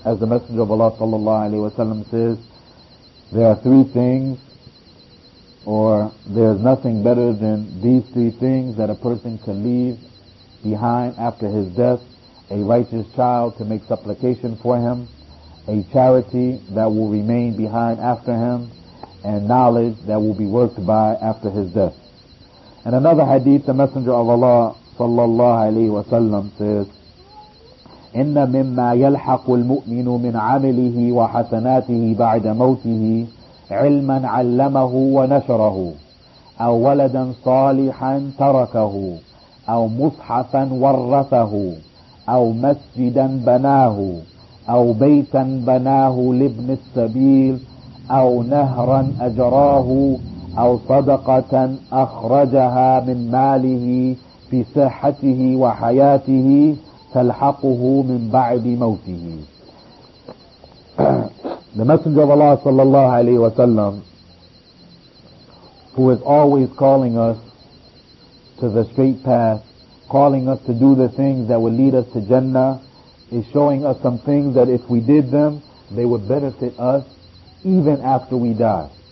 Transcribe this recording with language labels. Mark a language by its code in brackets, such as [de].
[en] As the Messenger of Allah sallallahu alayhi wa sallam says, there are three things, or there's nothing better than these three things that a person can leave behind after his death: a righteous child to make supplication for him, a charity that will remain behind after him, and knowledge that will be worked by after his death. And another hadith, the Messenger of Allah sallallahu alayhi wa sallam says, [ar] إِنَّ مِمَّا يَلْحَقُ الْمُؤْمِنُ مِنْ عَمِلِهِ وَحَسَنَاتِهِ بَعْدَ مَوْتِهِ عِلْمًا عَلَّمَهُ وَنَشَرَهُ أَوْ وَلَدًا صَالِحًا تَرَكَهُ أَوْ مُصْحَفًا وَرَّثَهُ أَوْ مَسْجِدًا بَنَاهُ أَوْ بَيْتًا بَنَاهُ لِابْنِ السَّبِيلِ أَوْ نَهْرًا أَجْرَاهُ أَوْ صَدَقَةً أَخْرَجَهَا مِنْ مَالِهِ فِي صِحَّتِهِ وَحَيَاتِهِ تَلْحَقُهُ مِنْ بَعْدِ مَوْتِهِ. [en] The Messenger of Allah sallallahu alayhi wa sallam, who is always calling us to the straight path, calling us to do the things that would lead us to Jannah, is showing us some things that if we did them, they would benefit us even after we die.